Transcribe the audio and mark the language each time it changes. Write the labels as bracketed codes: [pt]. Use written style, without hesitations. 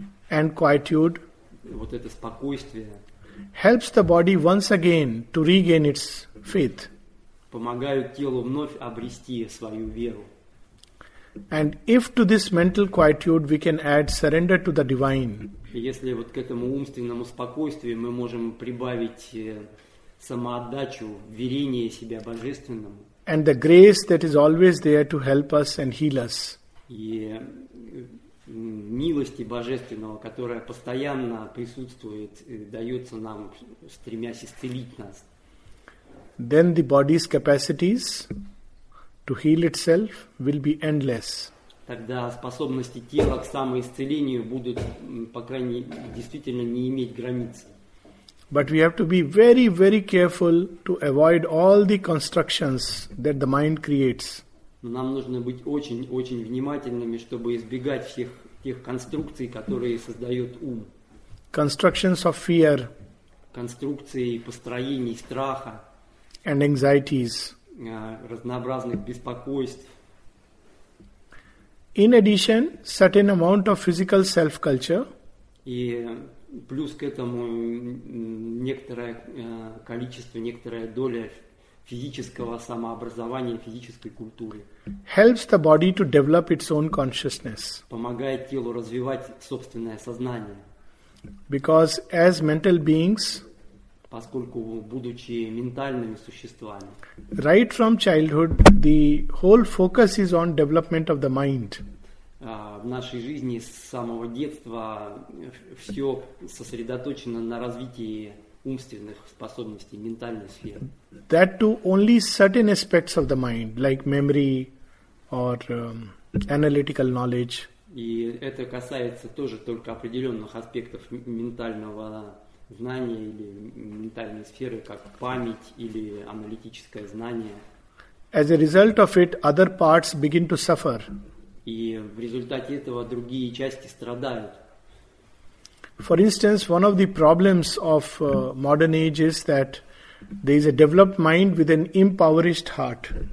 [en] and quietude, [ru] вот это спокойствие, [en] helps the body once again to regain its faith. [ru] Помогают телу вновь обрести свою веру. [en] And if to this mental quietude we can add surrender to the divine, [ru] если вот к этому умственному спокойствию мы можем прибавить самоотдачу, верение себя божественному, [en] and the grace that is always there to help us and heal us, [ru] и милости божественного, которая постоянно присутствует, дается нам, стремясь исцелить нас, [en] then the body's capacities to heal itself will be endless. [ru] Тогда способности тела к самоисцелению будут, по крайней мере, действительно не иметь границ. [en] But we have to be very, very careful to avoid all the constructions that the mind creates. [ru] Нам нужно быть очень, очень внимательными, чтобы избегать всех тех конструкций, которые создает ум. [en] Constructions of fear. [ru] Конструкции и построений страха. [en] And anxieties. [ru] Разнообразных беспокойств. [en] In addition, certain amount of physical self-culture. [ru] И плюс к этому некоторое количество, некоторая доля физического самообразования, физической культуры. [en] Helps the body to develop its own consciousness. [ru] Помогает телу развивать собственное сознание. [en] Because as mental beings, [ru] поскольку будучи ментальными существами, [en] right from childhood, the whole focus is on development of the mind. [ru] В нашей жизни с самого детства все сосредоточено на развитии умственных способностей, ментальной сферы. [en] That to only certain aspects of the mind, like memory or analytical knowledge. [ru] И это касается тоже только определенных аспектов ментального знания или ментальной сферы, как память или аналитическое знание. [en] As a result of it, other parts begin to suffer. [ru] И в результате этого другие части страдают. [en] For instance, one of the problems of modern age is that there is a developed mind with an impoverished heart.